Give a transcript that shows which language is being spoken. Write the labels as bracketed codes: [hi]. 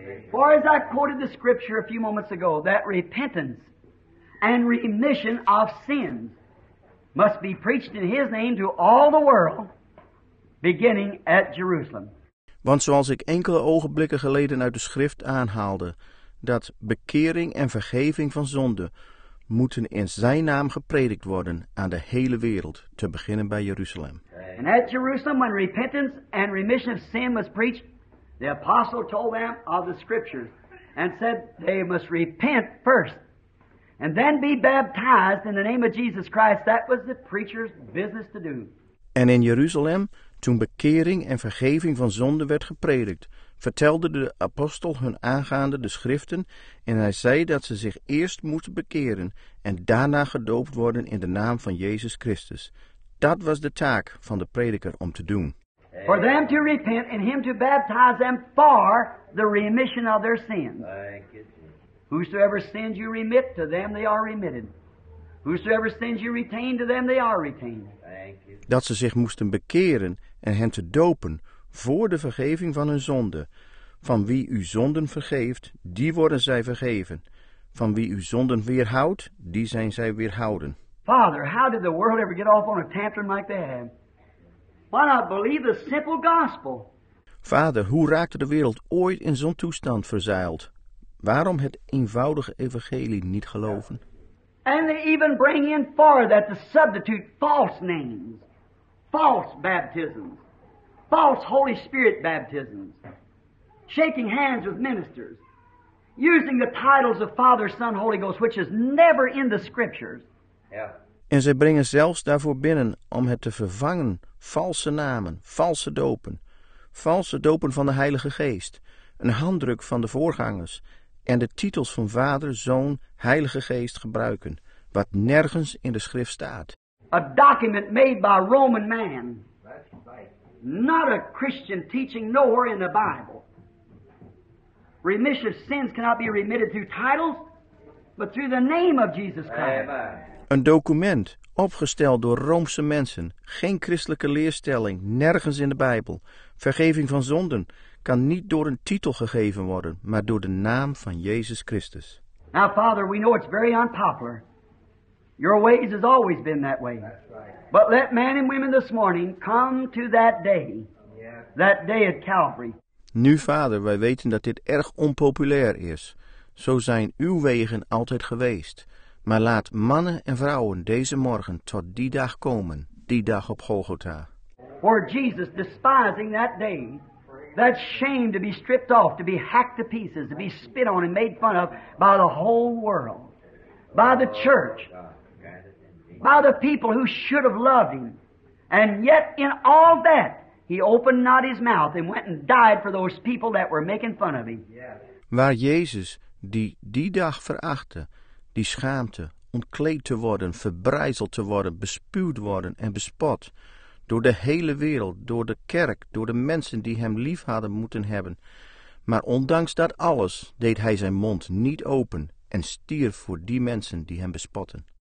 [en] For as I quoted the scripture a few moments ago, that repentance and remission of sins must be preached in his name to all the world, beginning at Jerusalem. [nl] Want zoals ik enkele ogenblikken geleden uit de schrift aanhaalde, dat bekering en vergeving van zonde moeten in zijn naam gepredikt worden aan de hele wereld, te beginnen bij Jeruzalem. [en] And at Jerusalem, when repentance and remission of sin was preached, the apostle told them of the scriptures and said they must repent first and then be baptized in the name of Jesus Christ. That was the preacher's business to do. [nl] En in Jeruzalem, toen bekering en vergeving van zonde werd gepredikt, vertelde de apostel hun aangaande de schriften en hij zei dat ze zich eerst moeten bekeren en daarna gedoopt worden in de naam van Jezus Christus. Dat was de taak van de prediker om te doen. [en] For them to repent and him to baptize them for the remission of their sins. Whosoever sins you remit, to them they are remitted. Whosoever sins you retain, to them they are retained. [nl] Dat ze zich moesten bekeren en hen te dopen voor de vergeving van hun zonde. Van wie u zonden vergeeft, die worden zij vergeven. Van wie u zonden weerhoudt, die zijn zij weerhouden. [en] Father, how did the world ever get off on a tantrum like they had? Why not believe the simple gospel? [nl] Vader, hoe raakte de wereld ooit in zo'n toestand verzeild? Waarom het eenvoudige evangelie niet geloven? [en] And they even bring in for that to substitute false names, false baptisms, false Holy Spirit baptisms, shaking hands with ministers, using the titles of Father, Son, Holy Ghost, which is never in the scriptures. [nl] En zij brengen zelfs daarvoor binnen om het te vervangen valse namen, valse dopen van de Heilige Geest, een handdruk van de voorgangers en de titels van Vader, Zoon, Heilige Geest gebruiken, wat nergens in de schrift staat. [en] A document made by Roman man, not a Christian teaching nowhere in the Bible. Remission of sins cannot be remitted through titles, but through the name of Jesus Christ. Amen. [nl] Een document, opgesteld door Roomse mensen, geen christelijke leerstelling, nergens in de Bijbel. Vergeving van zonden kan niet door een titel gegeven worden, maar door de naam van Jezus Christus. [en] Now, Father, we know it's very unpopular. Your ways has always been that way. But let men and women this morning come to that day at Calvary. [nl] Nu, Vader, wij weten dat dit erg onpopulair is. Zo zijn uw wegen altijd geweest. Maar laat mannen en vrouwen deze morgen tot die dag komen, die dag op Golgotha. [en] For Jesus, despising that day, that shame to be stripped off, to be hacked to pieces, to be spit on and made fun of by the whole world, by the church, by the people who should have loved him. And yet in all that, he opened not his mouth and went and died for those people that were making fun of him. [nl] Waar Jezus, die dag verachtte, die schaamte, ontkleed te worden, verbrijzeld te worden, bespuwd worden en bespot, door de hele wereld, door de kerk, door de mensen die hem lief hadden moeten hebben. Maar ondanks dat alles, deed hij zijn mond niet open en stierf voor die mensen die hem bespotten.